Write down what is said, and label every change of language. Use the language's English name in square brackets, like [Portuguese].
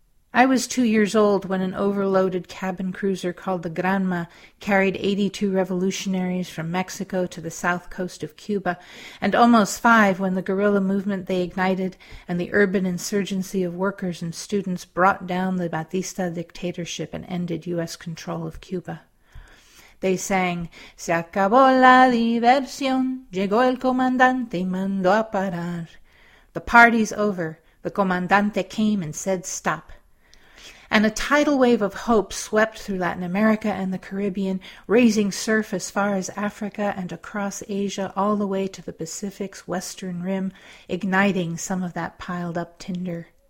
[English] I was 2 years old when an overloaded cabin cruiser called the Granma carried 82 revolutionaries from Mexico to the south coast of Cuba, and almost five when the guerrilla movement they ignited and the urban insurgency of workers and students brought down the Batista dictatorship and ended U.S. control of Cuba. They sang, [Spanish] Se acabó la diversión, llegó el comandante y mandó a parar. [English] The party's over. The comandante came and said stop. And a tidal wave of hope swept through Latin America and the Caribbean, raising surf as far as Africa and across Asia all the way to the Pacific's western rim, igniting some of that piled-up tinder.